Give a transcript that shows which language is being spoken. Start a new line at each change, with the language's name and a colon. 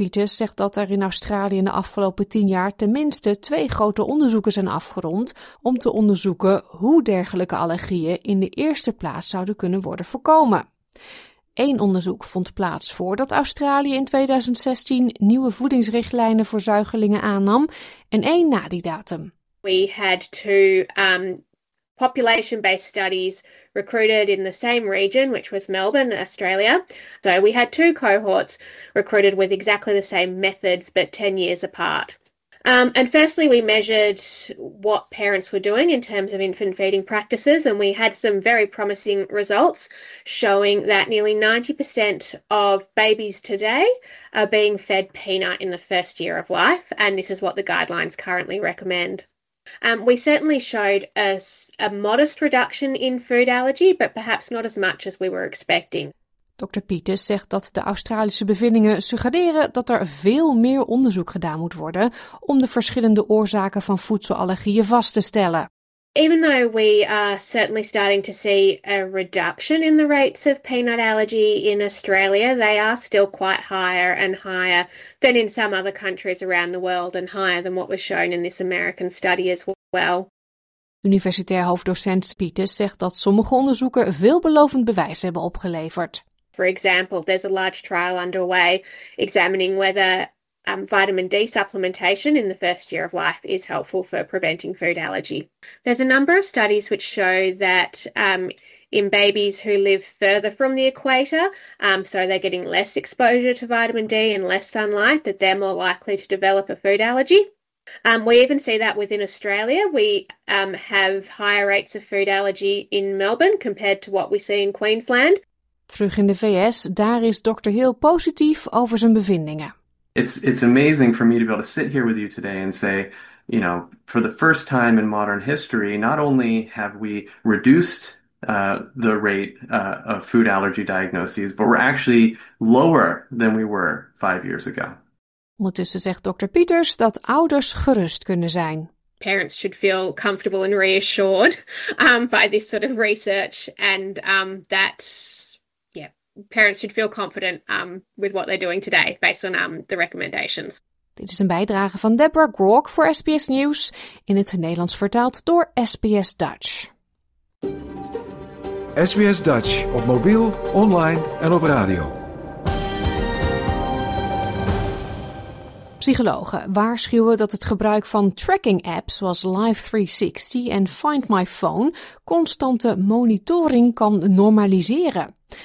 Dutch: Peters zegt dat er in Australië in de afgelopen 10 jaar tenminste 2 grote onderzoeken zijn afgerond om te onderzoeken hoe dergelijke allergieën in de eerste plaats zouden kunnen worden voorkomen. 1 onderzoek vond plaats voordat Australië in 2016 nieuwe voedingsrichtlijnen voor zuigelingen aannam en 1 na die datum.
English: We had 2 population-based studies recruited in the same region, which was Melbourne, Australia. So we had 2 cohorts recruited with exactly the same methods, but 10 years apart. And firstly, we measured what parents were doing in terms of infant feeding practices, and we had some very promising results showing that nearly 90% of babies today are being fed peanut in the first year of life, and this is what the guidelines currently recommend. We certainly showed a modest reduction in food allergy, but perhaps not as much as we were expecting.
Dutch: Dr. Peters zegt dat de Australische bevindingen suggereren dat er veel meer onderzoek gedaan moet worden om de verschillende oorzaken van voedselallergieën vast te stellen.
English: Even though we are certainly starting to see a reduction in the rates of peanut allergy in Australia, they are still quite higher and higher than in some other countries around the world and higher than what was shown in this American study as well.
Dutch: Universitair hoofddocent Peters zegt dat sommige onderzoeken veelbelovend bewijs hebben opgeleverd.
English: For example, there's a large trial underway examining whether vitamin D supplementation in the first year of life is helpful for preventing food allergy. There's a number of studies which show that in babies who live further from the equator, so they're getting less exposure to vitamin D and less sunlight, that they're more likely to develop a food allergy. We even see that within Australia. We have higher rates of food allergy in Melbourne compared to what we see in Queensland.
Dutch: Terug in de VS, daar is Dr. Hill positief over zijn bevindingen.
English: It's amazing for me to be able to sit here with you today and say, you know, for the first time in modern history, not only have we reduced the rate of food allergy diagnoses, but we're actually lower than we were 5 years ago.
Dutch: Ondertussen zegt Dr. Peters dat ouders gerust kunnen zijn.
English: Parents should feel comfortable and reassured by this sort of research and that. Parents should feel confident with what they're doing today based on the recommendations.
Dutch: Dit is een bijdrage van Deborah Grok voor SBS News, in het Nederlands vertaald door SBS Dutch. SBS Dutch op mobiel, online en op radio. Psychologen waarschuwen dat het gebruik van tracking apps zoals Life360 en Find My Phone constante monitoring kan normaliseren.